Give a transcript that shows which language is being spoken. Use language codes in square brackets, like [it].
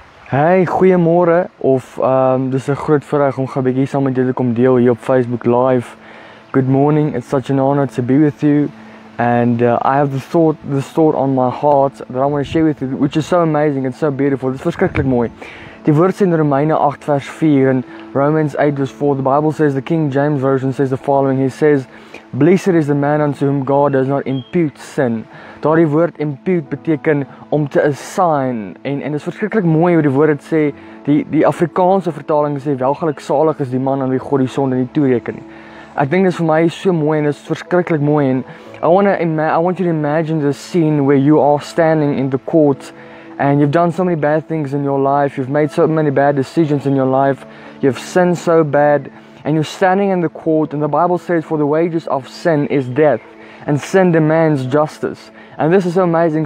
[af] Hey, goeiemôre of dis 'n groot voorreg om gou 'n bietjie saam met julle kom deel hier op Facebook Live. [en] Good morning. It's such an honor to be with you and I have the thought on my heart that I want to share with you, which is so amazing and so beautiful. [af] Dit is verskriklik mooi. Die woord sê in Romeine 8 vers 4 en [en] Romans 8 verse 4. The Bible says, the King James version says the following. He says, blessed is the man unto whom God does not impute sin. [af] Daardie woord impute beteken om te assign. En is verskriklik mooi hoe die woord het sê, die Afrikaanse vertaling sê, welgelukzalig is die man aan wie God die sonde nie toereken. Ek dink dis vir my so mooi en is verskriklik mooi. [en] En I want you to imagine this scene where you are standing in the court and you've done so many bad things in your life, you've made so many bad decisions in your life, you've sinned so bad, and you're standing in the court, and the Bible says, for the wages of sin is death, and sin demands justice. And this is so amazing.